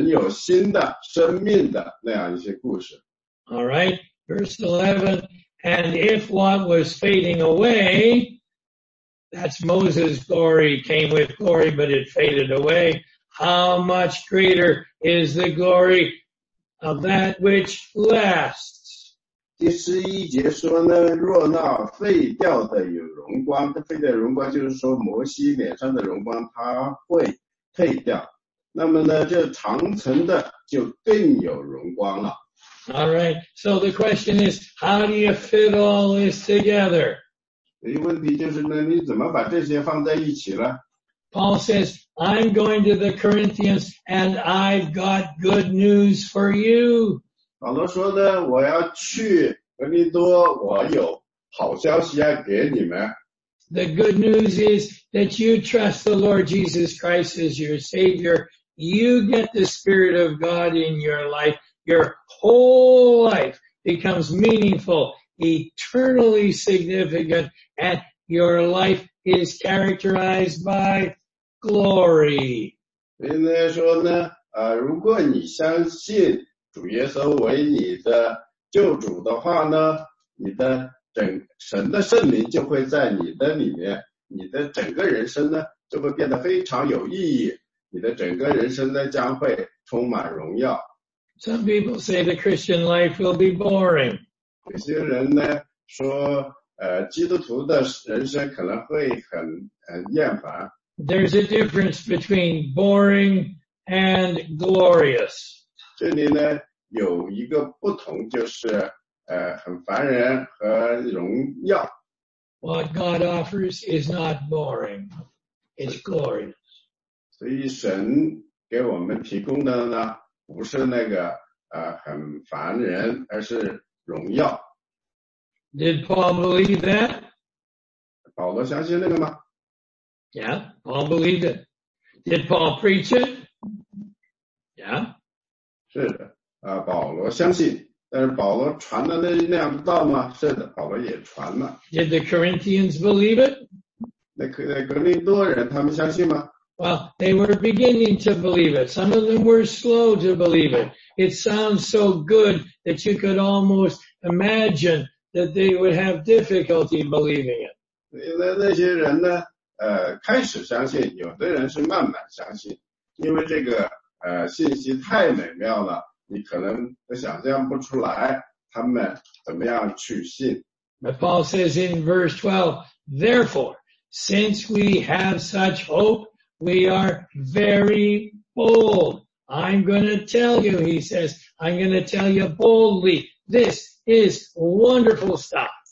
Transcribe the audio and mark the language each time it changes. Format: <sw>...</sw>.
<zh>旧约的故事呢是非常有趣的，他写了很多的神怎么样去应对以色列人所做的一些事儿，但是新约的事儿呢，比那一个更美好。他呢就是说，神给神是来去应对那些人有新的生命的那样一些故事。</zh> <en>Alright, verse 11, and if what was fading away, that's Moses' glory came with glory, but it faded away, how much greater is the glory of that which lasts?</en> <zh>第11节说呢, 若那废掉的有荣光, 废掉的荣光就是说摩西脸上的荣光, 它会退掉, 那么呢, 这长成的就更有荣光了。</zh> <en>All right, so the question is, how do you fit all this together?</en> <zh>问题就是呢, 你怎么把这些放在一起呢?</zh> <en>Paul says, I'm going to the Corinthians and I've got good news for you.</en> <zh>保罗说呢, 我要去格林多, 我有好消息要给你们。</zh> <en>The good news is that you trust the Lord Jesus Christ as your Savior. You get the Spirit of God in your life. Your whole life becomes meaningful, eternally significant, and your life is characterized by glory.</en> <zh>所以呢说呢, 如果你相信主耶稣为你的救主的话呢, 你的整神的圣灵就会在你的里面, 你的整个人生呢, 就会变得非常有意义, 你的整个人生呢将会充满荣耀。</zh> <en>Some people say the Christian life will be boring.</en> <zh>有些人呢说, 基督徒的人生可能会很厌烦。</zh> <en>There's a difference between boring and glorious.</en> <zh>这里呢有一个不同就是, 很烦人和荣耀。</zh> <en>What God offers is not boring, it's glorious.</en> <zh>所以神给我们提供的呢, 不是那个, 很烦人, 而是荣耀。</zh> <en>Did Paul believe that?</en> <zh>保罗相信那个吗?</zh> <en>Yeah, Paul believed it. Did Paul preach it? Yeah.</en> <zh>是的, 保罗相信, 但是保罗传的那样道吗? 是的, 保罗也传了。</zh> <en>Did the Corinthians believe it?</en> <zh>那格林多人他们相信吗?</zh> <en>Well, they were beginning to believe it. Some of them were slow to believe it. It sounds so good that you could almost imagine that they would have difficulty believing it.</en> <zh>那些人呢, 开始相信, 有的人是慢慢相信, 因为这个, 信息太美妙了, 你可能想象不出来, 他们怎么样去信。</zh> <en>But Paul says in verse 12, therefore, since we have such hope, we are very bold. I'm going to tell you, he says, I'm going to tell you boldly. This is wonderful stuff.</en>